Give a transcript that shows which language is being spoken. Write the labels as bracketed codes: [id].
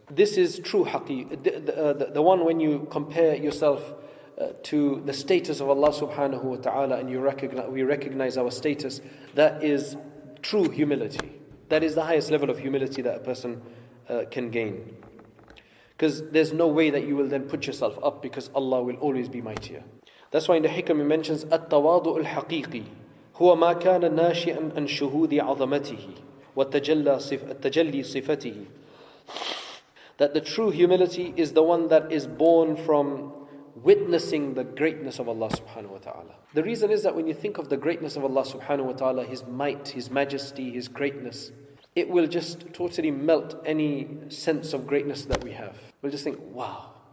[en] This is true haqi, the one when you compare yourself to the status of Allah subhanahu wa ta'ala, and we recognize our status. That is true humility. That is the highest level of humility that a person can gain. Because there's no way that you will then put yourself up, because Allah will always be mightier. That's why in the Hikam he mentions, [ar] التواضع الحقيقي هو ما كان ناشئا عن شهود عظمته والتجلي صفته. [en] That the true humility is the one that is born from witnessing the greatness of Allah subhanahu wa ta'ala. The reason is that when you think of the greatness of Allah subhanahu wa ta'ala, His might, His majesty, His greatness, it will just totally melt any sense of greatness that we have. We'll just think, wow.